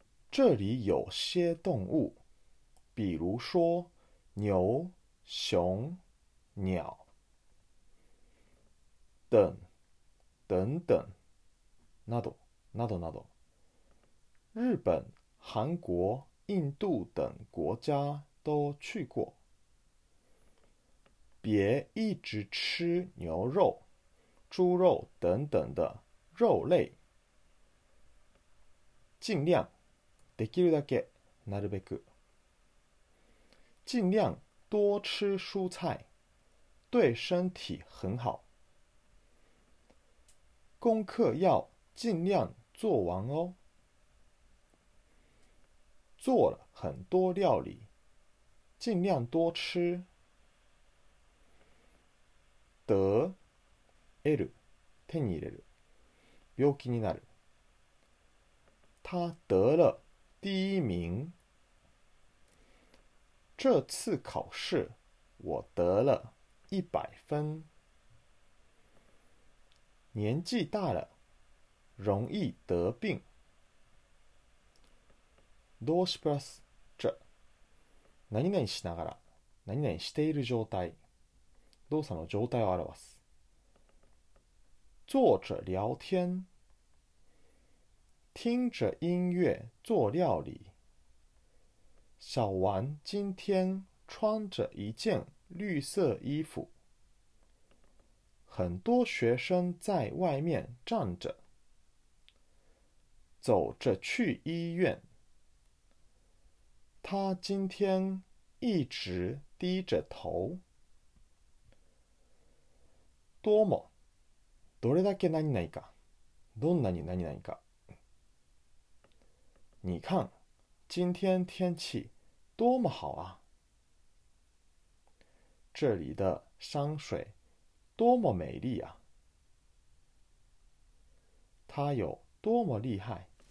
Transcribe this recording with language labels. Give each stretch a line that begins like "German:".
Chinese: 这里有些动物，比如说牛、熊、鸟等等，
Japanese: など。
Chinese: 日本、韩国、印度等国家都去过。别一直吃牛肉、猪肉等等的肉类。尽量，
Japanese: できるだけ、なるべく。
Chinese: 尽量多吃蔬菜，对身体很好。功课要尽量做完哦。做了很多料理，尽量多吃。得，得，
Japanese: 手に入れる，病気になる。
Chinese: 他得了第一名。这次考试，我得了100分。年纪大了，容易得病。
Japanese: 動詞プラス
Chinese: 着、
Japanese: 何々しながら、何々している状態、動作の状態を表す。
Chinese: 坐着聊天、听着音乐做料理。小丸今天穿着一件绿色衣服。很多学生在外面站着。走着去医院。他今天一直低着头。多么，
Japanese: どれだけ何々か、どんなに何々か。
Chinese: 你看，今天天气多么好啊！这里的山水多么美丽啊！他有多么厉害？